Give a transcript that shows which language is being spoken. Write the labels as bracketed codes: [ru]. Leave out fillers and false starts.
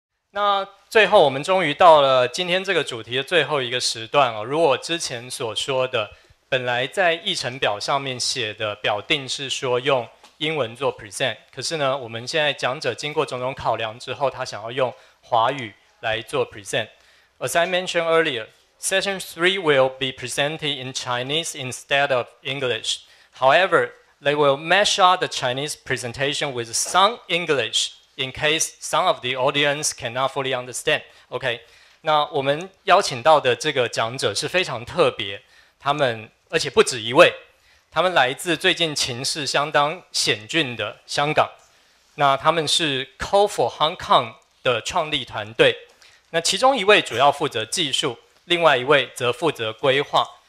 [zh] 那最后，我们终于到了今天这个主题的最后一个时段哦。如果之前所说的，本来在议程表上面写的表定是说用英文做 present，可是呢，我们现在讲者经过种种考量之后，他想要用华语来做 present。 [en] As I mentioned earlier, session three will be presented in Chinese instead of English. However, they will match up the Chinese presentation with some English. In case some of the audience cannot fully understand, [zh] OK，那我们邀请到的这个讲者是非常特别，他们而且不止一位，他们来自最近情势相当险峻的香港。那他们是 Call for Hong Kong 的创立团队，那其中一位主要负责技术，另外一位则负责规划。